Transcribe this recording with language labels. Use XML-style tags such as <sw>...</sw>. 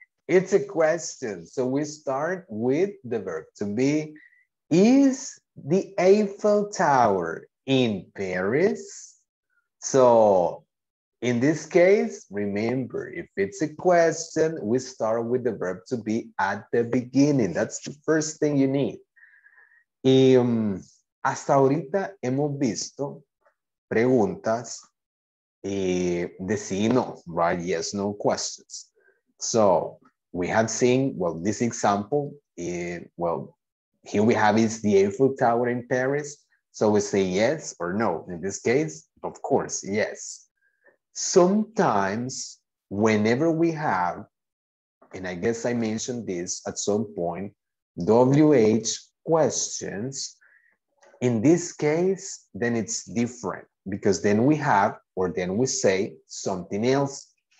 <en>It's a question. So we start with the verb to be. Is the Eiffel Tower in Paris? So in this case, remember, if it's a question, we start with the verb to be at the beginning. That's the first thing you need.</en> <es>Y hasta ahorita hemos visto preguntas de sí y no, right?</es> <en>Yes, no questions. So we have seen, well, this example, well, here we have, is the Eiffel Tower in Paris? So we say yes or no. In this case, of course, yes. Sometimes, whenever we have, and I guess I mentioned this at some point, WH questions, in this case, then it's different because then we have, or then we say something else.</en>